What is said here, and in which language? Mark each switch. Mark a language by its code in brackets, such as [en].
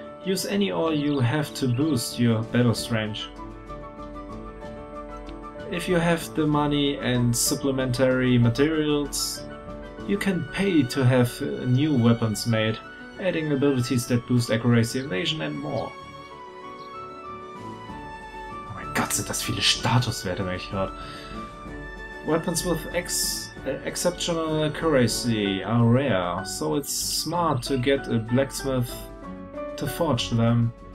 [en] Use any ore you have to boost your battle strength. If you have the money and supplementary materials, you can pay to have new weapons made, adding abilities that boost accuracy, evasion and more. [de] Oh mein Gott, sind das viele Statuswerte, merke ich gerade. [en] Weapons with exceptional accuracy are rare, so it's smart to get a blacksmith to forge them.